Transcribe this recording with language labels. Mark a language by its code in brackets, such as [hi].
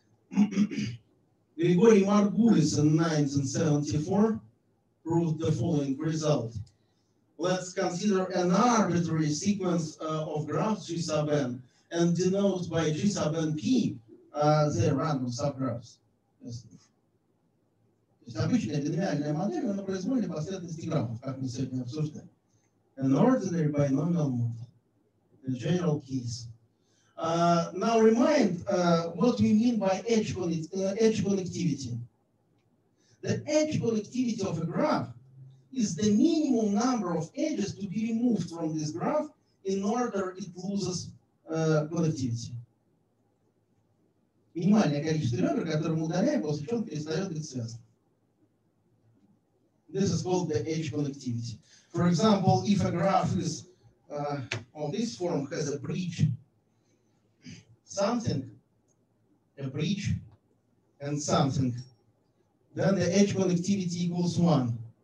[en] Grigori Margulis in 1974 proved the following result. Let's consider an arbitrary sequence of graphs G sub n and denote by G sub n p the random subgraphs. [ru] Обычная динамиальная модель, она произвольная последовательности графов, как мы сегодня обсуждаем. [en] An ordinary binomial model, in general case. Now remind what we mean by edge connectivity. The edge connectivity of a graph is the minimum number of edges to be removed from this graph in order it loses connectivity. [ru] Минимальное количество ребер, которые мы удаляем, после чего он перестает быть связан. [en] This is called the edge connectivity. For example, if a graph is of this form has a bridge, something, a bridge, and something, then the edge connectivity equals one.